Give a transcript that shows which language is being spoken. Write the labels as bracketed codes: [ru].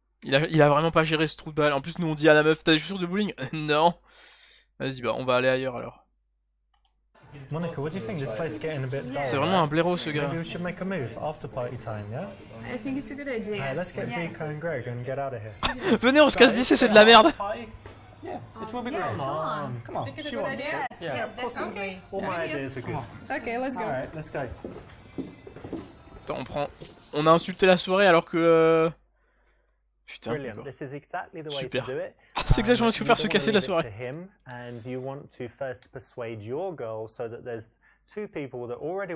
[fr] Il a vraiment pas géré ce trou de balle. En plus, nous on dit à la meuf, t'as des chaussures de bowling? Non. Vas-y, bah on va aller ailleurs alors. [en] Monica, what do you think? This place is getting a bit dull. [fr] C'est vraiment un blaireau ce gars. [en] Maybe we should make a move after party time, yeah? I think it's a good idea. Alright, let's get Vico and Greg and get out of here. [fr] Venez, on se casse d'ici, c'est de la merde. [en] Yeah, it will be great. Come on. I think it's a good idea. Yeah, of course. All my ideas are good. Okay, let's go. Alright, let's go. [fr] Attends, on prend. On a insulté la soirée alors que. Putain, [en] brilliant. This is exactly the way [fr] super. [en] To do it. [fr] C'est exactement ce que faire se casser de la soirée. [en] And you want to first persuade your girl so that there's two people that already want